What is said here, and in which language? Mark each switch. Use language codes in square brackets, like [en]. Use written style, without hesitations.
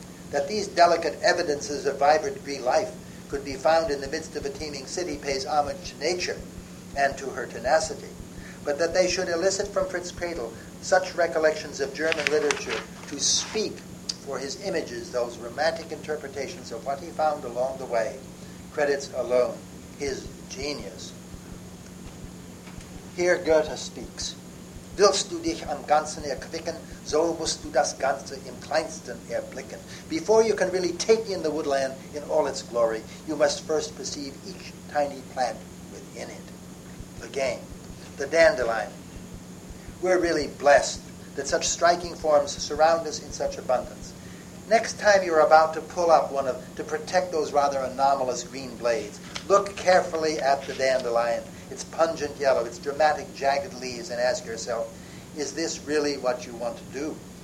[en] That these delicate evidences of vibrant green life could be found in the midst of a teeming city pays homage to nature and to her tenacity. But that they should elicit from Fritz Cradle such recollections of German literature to speak for his images those romantic interpretations of what he found along the way, credits alone his genius. Here Goethe speaks. [de] Willst du dich am Ganzen erquicken, so musst du das Ganze im Kleinsten erblicken. [en] Before you can really take in the woodland in all its glory, you must first perceive each tiny plant within it. Again, the dandelion. We're really blessed that such striking forms surround us in such abundance. Next time you're about to pull up one of to protect those rather anomalous green blades, look carefully at the dandelion, its pungent yellow, its dramatic jagged leaves, and ask yourself, is this really what you want to do?